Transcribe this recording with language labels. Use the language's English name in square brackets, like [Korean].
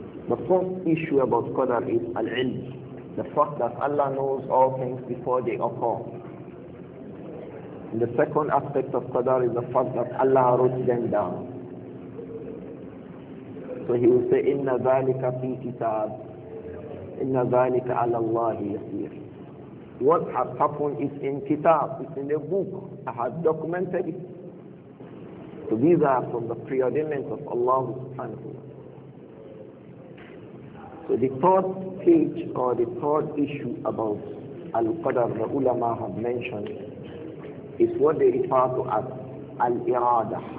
[English] The first issue about Qadr is al-ilm, the fact that Allah knows all things before they occur. And the second aspect of Qadr is the fact that Allah wrote them down. So He will say, [Arabic] إِنَّ ذَلِكَ فِي كِتَاب إِنَّ ذَلِكَ عَلَى اللَّهِ يَسِيرٌ. [English] What has happened is in Kitab, it's in a book, I have documented it. So these are from the preordainment of Allah subhanahu wa ta'ala. So the third page or the third issue about Al-Qadr, the ulama have mentioned, is what they refer to as Al-Irada.